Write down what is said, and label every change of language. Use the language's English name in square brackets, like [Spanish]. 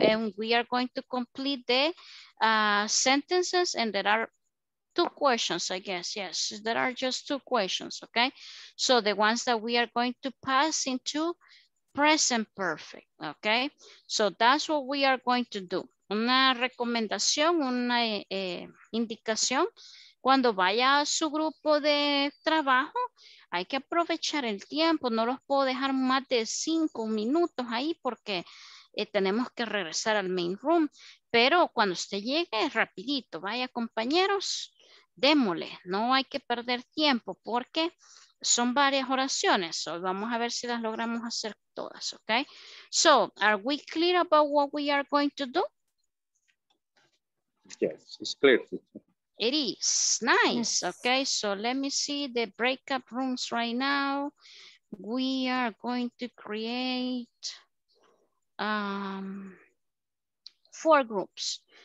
[English] And we are going to complete the sentences, and there are two questions, I guess. Yes, there are just two questions, okay? So, the ones that we are going to pass into present perfect, okay? So, that's what we are going to do. [Spanish] Una recomendación, una indicación, cuando vaya a su grupo de trabajo, hay que aprovechar el tiempo, no los puedo dejar más de 5 minutos ahí porque tenemos que regresar al main room, pero cuando usted llegue, rapidito, vaya compañeros, démosle, no hay que perder tiempo porque son varias oraciones, so vamos a ver si las logramos hacer todas, ok? [English] So, are we clear about what we are going to do? Yes, it's clear. It is. Nice. Yes. Okay, so let me see the breakout rooms right now. We are going to create 4 groups.